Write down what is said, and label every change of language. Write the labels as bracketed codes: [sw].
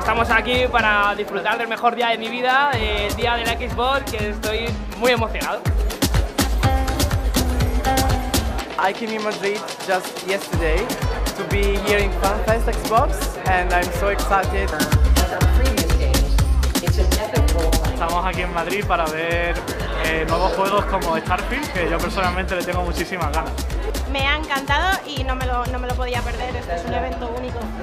[es] Aquí para disfrutar del mejor día de mi vida, el día de la Xbox, que estoy muy emocionado. [en] I came in Madrid just yesterday to be here in FanFest Xbox, and I'm so excited. [es] Estamos aquí en Madrid para ver nuevos juegos como Starfield, que yo personalmente le tengo muchísimas ganas. Me ha encantado y no me lo podía perder. Este es un evento único.